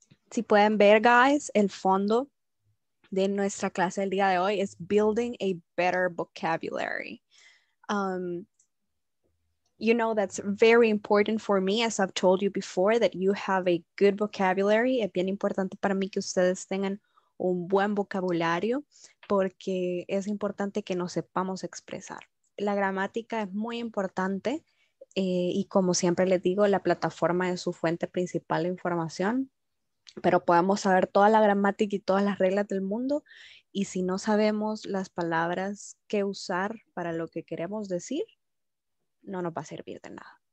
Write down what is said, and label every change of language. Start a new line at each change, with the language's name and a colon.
Spanish: Si pueden ver, guys, el fondo de nuestra clase del día de hoy es Building a Better Vocabulary.
English: you know, that's very important for me, as I've told you before, that you have a good vocabulary.
Spanish: Es bien importante para mí que ustedes tengan un buen vocabulario, porque es importante que nos sepamos expresar. La gramática es muy importante, y como siempre les digo, la plataforma es su fuente principal de información, pero podemos saber toda la gramática y todas las reglas del mundo, y si no sabemos las palabras que usar para lo que queremos decir, no nos va a servir de nada.